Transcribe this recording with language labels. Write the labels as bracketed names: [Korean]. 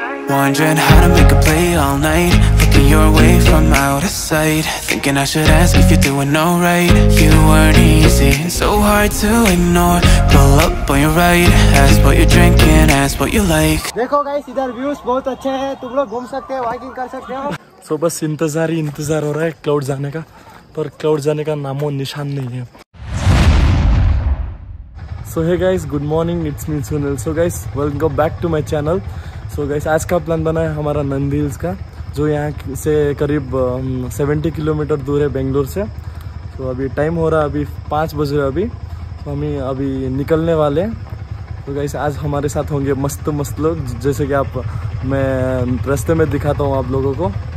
[English] Wondering how to make a play all night. Looking your way from out of sight. Thinking I should ask if you're doing alright. You weren't easy, so hard to ignore. Pull up on your right, ask what you're drinking, ask what you like. [Hindi] देखो guys इधर views बहुत अच्छे हैं, तुम लोग घूम सकते हो, वॉकिंग कर सकते हो. सो बस इंतजार ही इंतजार हो रहा है क्लाउड जाने का, पर क्लाउड जाने का नामो निशान नहीं है. [English] So hey guys, good morning, it's me Sunil. So guys, welcome back to my channel. [Hindi] So guys, आज का प्लान बना है हमारा नंदी हिल्स का, जो यहाँ से करीब 70 किलोमीटर दूर है बेंगलोर से. तो अभी टाइम हो रहा है, अभी 5 बज रहे अभी, तो हमें अभी निकलने वाले हैं. तो गाइस आज हमारे साथ होंगे मस्त मस्त लोग, जैसे कि आप, मैं रास्ते में दिखाता हूँ आप लोगों को.